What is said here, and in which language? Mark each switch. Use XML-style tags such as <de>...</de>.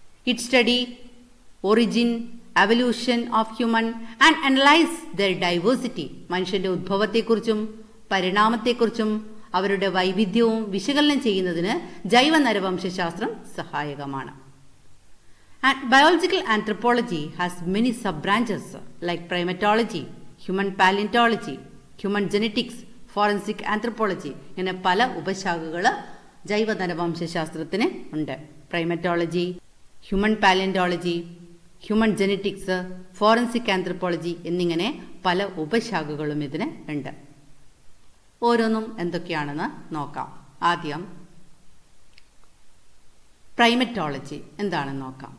<en>It study origin, evolution of human and analyse their diversity.</en> <ml>മനുഷ്യൻ്റെ ഉദ്ഭവത്തെക്കുറിച്ചും പരിണാമത്തെക്കുറിച്ചും അവരുടെ വൈവിധ്യവും വിശകലനം ചെയ്യുന്നതിന് ജൈവ നരവംശാസ്ത്രം സഹായകമാണ്.</ml> <en>And biological anthropology has many sub-branches like primatology, human paleontology, human genetics, forensic anthropology.</en> <ml>ഇങ്ങനെ പല ഉപശാഖകൾ ജൈവ നരവംശാസ്ത്രത്തിന് ഉണ്ട്. പ്രൈമറ്റോളജി, human palaeontology, human genetics, forensic anthropology എന്നിങ്ങനെ പല ഉപശാഖകളും ഇതിന് ഉണ്ട്. ഓരോന്നും എന്തൊക്കെയാണെന്ന് നോക്കാം. ആദ്യം പ്രൈമറ്റോളജി എന്താണെന്ന് നോക്കാം.</ml>